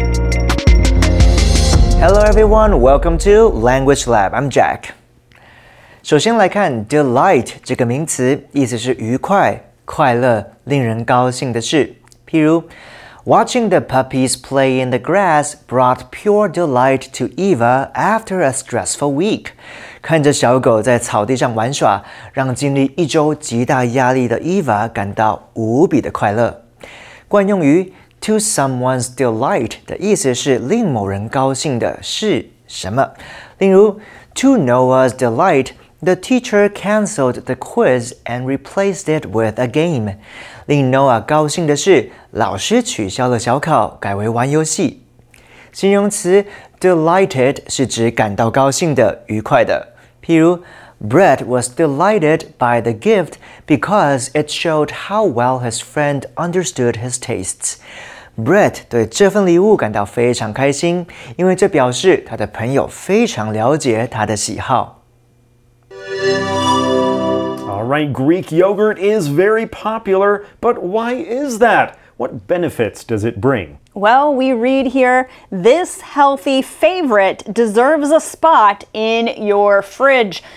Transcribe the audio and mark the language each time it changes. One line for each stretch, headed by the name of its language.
English: Hello everyone, welcome to Language Lab, I'm Jack.
Chinese: 首先来看 delight 这个名词，意思是愉快、快乐、令人高兴的事。譬如
English: ,Watching the puppies play in the grass brought pure delight to Eva after a stressful week.
Chinese: 看着小狗在草地上玩耍，让经历一周极大压力的 Eva 感到无比的快乐。惯用于
English: To someone's delight
Chinese: 的意思是令某人高兴的是什么？例如
English: ,To Noah's delight, the teacher cancelled the quiz and replaced it with a game.
Chinese: 令 Noah 高兴的是老师取消了小考改为玩游戏。形容词 delighted 是指感到高兴的愉快的。譬如
English: ,Brett was delighted by the gift because it showed how well his friend understood his tastes.
Chinese: Brett 对这份礼物感到非常开心，因为这表示他的朋友非常了解他的喜好。
English: All right, Greek yogurt is very popular, but why is that? What benefits does it bring? Well, we read here, this healthy favorite deserves a spot in your fridge.